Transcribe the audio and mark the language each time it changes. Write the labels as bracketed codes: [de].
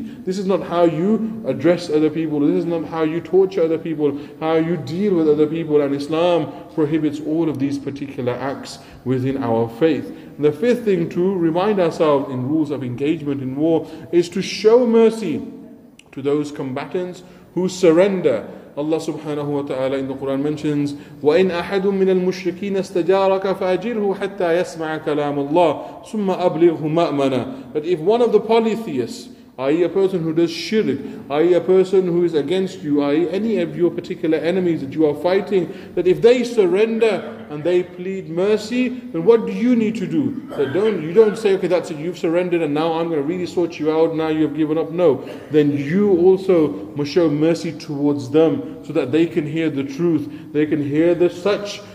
[en] This is not how you address other people. This is not how you torture other people, how you deal with other people. And Islam prohibits all of these particular acts within our faith. And the fifth thing to remind ourselves in rules of engagement in war is to show mercy to those combatants who surrender. [ar] Allah subhanahu wa ta'ala [en] in the Quran mentions, [ar] وَإِنْ أَحَدٌ مِّنَ الْمُشْرِكِينَ اسْتَجَارَكَ فَأَجِرْهُ حَتَّى يَسْمَعَ كَلَامَ اللَّهِ ثُمَّ أَبْلِغْهُ مَأْمَنَا. [en] But if one of the polytheists, i.e. a person who does shirk, i.e. a person who is against you, i.e. any of your particular enemies that you are fighting, that if they surrender and they plead mercy, then what do you need to do? You don't say, okay, that's it, you've surrendered and now I'm going to really sort you out, now you've given up. No, then you also must show mercy towards them so that they can hear the truth, they can hear the such